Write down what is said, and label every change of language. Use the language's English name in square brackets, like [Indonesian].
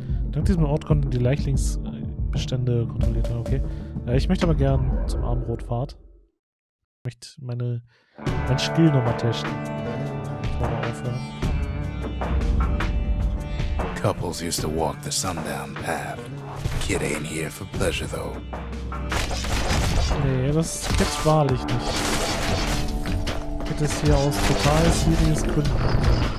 [German] Dank diesem Ort konnten die Leichlingsbestände kontrolliert werden. Okay. Ich möchte aber gern zum Armbrotpfad. Ich möchte mein Skill nochmal testen. [English] Couples used to walk the sundown path. Kid ain't here for pleasure though. [German] Nee, das gibt's wahrlich nicht. Geht es hier aus total schwieriges Gründen.